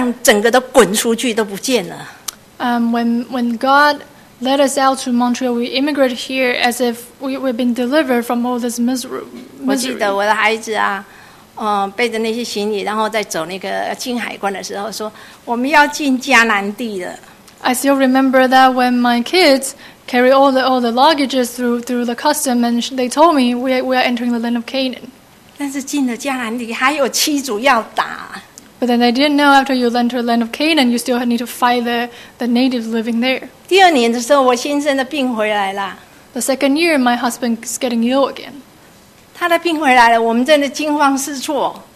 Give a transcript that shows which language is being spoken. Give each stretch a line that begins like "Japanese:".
Chinese: 那我在讲到我们在这个艰难的环境，神就把我们带到孟去哦，移民好像解放了一样。我们所有过去的羞耻、过去的困苦，就好像一个这样整个都滚出去都不见了。
English: When God led us out to Montreal, we immigrated here as if we've been delivered from all this misery.
Chinese: 我记得我的孩子啊，背着那些行李，然后再走那个进海关的时候，说我们要进迦南地了。
English: I still remember that when my kids carry all the luggages through the custom, and they told me we are entering the land of Canaan.
Chinese: 但是进了迦南地，还有七族要打。
English: But then they didn't know after you enter the land of Canaan, you still need to fight the natives living there.
Chinese: 第二年的时候，我先生的病回来了。
English: The second year, my husband is getting ill again.
Chinese: 他的病回来了，我们真的惊慌失措。